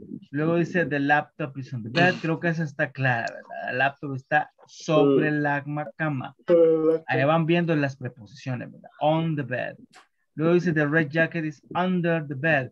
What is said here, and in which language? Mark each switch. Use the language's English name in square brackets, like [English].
[Spanish] Luego dice, [English] the laptop is on the bed. [Spanish] Creo que esa está clara, ¿verdad? La laptop está sobre la cama. Allá van viendo las preposiciones, ¿verdad? [English] On the bed. [Spanish] Luego dice, [English] the red jacket is under the bed.